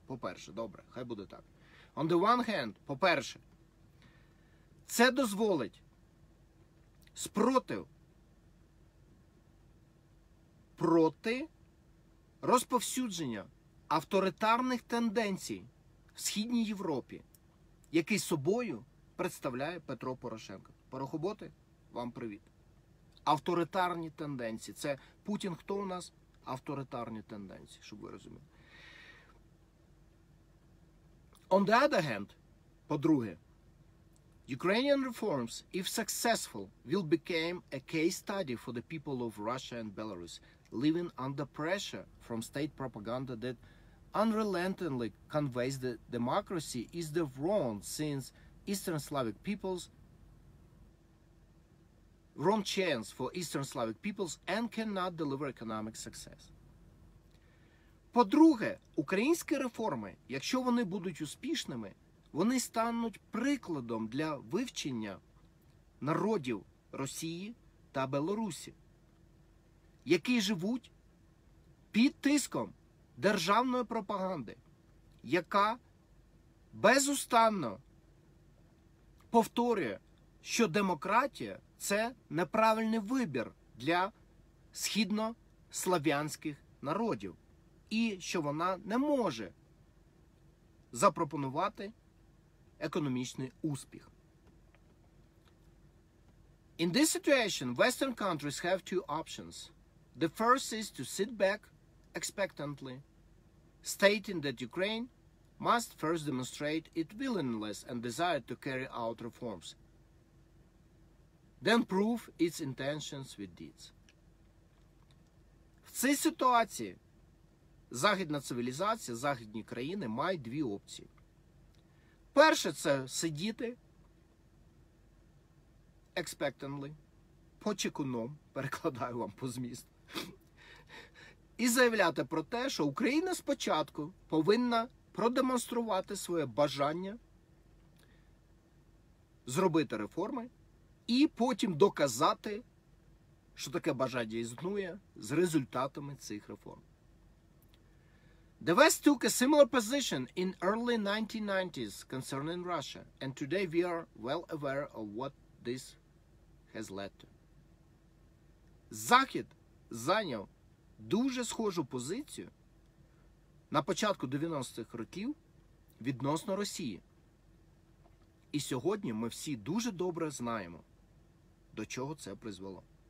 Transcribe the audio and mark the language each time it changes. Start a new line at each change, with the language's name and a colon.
Ukrainian: По-перше, добре, хай буде так.
English: On the one hand,
Ukrainian: по-перше, це дозволить спротив проти розповсюдження авторитарних тенденцій в Східній Європі, який собою представляє Петро Порошенко. Парохоботи, вам привіт. Авторитарні тенденції. Це Путін хто у нас? Авторитарні тенденції, щоб ви розуміли.
English: On the other hand,
Ukrainian: по-друге,
English: Ukrainian reforms, if successful, will become a case study for the people of Russia and Belarus, living under pressure from state propaganda that unrelentingly conveys that democracy is the wrong since Eastern Slavic peoples wrong chance for Eastern Slavic peoples and cannot deliver economic success.
Ukrainian: По-друге, українські реформи, якщо вони будуть успішними, вони стануть прикладом для вивчення народів Росії та Білорусі, які живуть під тиском державної пропаганди, яка безустанно повторює, що демократія – це неправильний вибір для східнослав'янських народів. І що вона не може запропонувати економічний успіх.
English: In this situation, Western countries have two options. The first is to sit back expectantly, stating that Ukraine must first demonstrate its willingness and desire to carry out reforms, then prove its intentions with deeds.
Ukrainian: В цій ситуації західна цивілізація, західні країни мають дві опції. Перше – це сидіти
English: expectantly,
Ukrainian: почекуном, перекладаю вам по змісту, і заявляти про те, що Україна спочатку повинна продемонструвати своє бажання зробити реформи і потім доказати, що таке бажання існує з результатами цих реформ.
English: The West took a similar position in early 1990s concerning Russia, and today we are well aware of what this has led to.
Ukrainian: Захід зайняв дуже схожу позицію на початку 90-х років відносно Росії. І сьогодні ми всі дуже добре знаємо, до чого це призвело.